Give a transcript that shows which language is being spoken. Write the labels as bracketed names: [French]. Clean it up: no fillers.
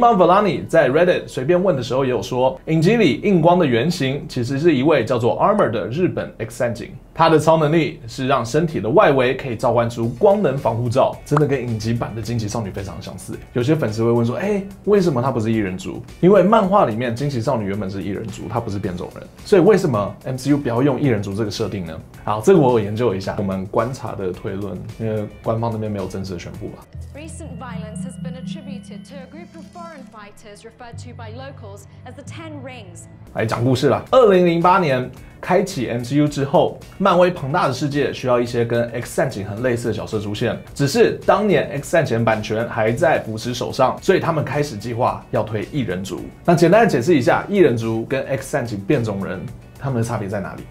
[Chinese] Iman Vellani 在 Reddit 随便问的时候也有说，影集里硬光的原型其实是一位叫做 Armor 的日本 X 战警，他的超能力是让身体的外围可以召唤出光能防护罩，真的跟影集版的惊奇少女非常相似。有些粉丝会问说，欸，为什么他不是异人族？因为漫画里面惊奇少女原本是异人族，他不是变种人，所以为什么 MCU 不要用异人族这个设定呢？好，这个我有研究一下，我们观察的推论，因为官方那边没有正式的宣布吧。 [English] Recent violence has been attributed to a group of foreign fighters referred to by locals as the Ten Rings. [Chinese] 来讲故事啦。 2008年开启 MCU 之后，漫威庞大的世界需要一些跟 X 战警很类似的角色出现，只是当年 X 战警版权还在福斯手上，所以他们开始计划要推异人族。那简单的解释一下，异人族跟 X 战警变种人他们的差别在哪里。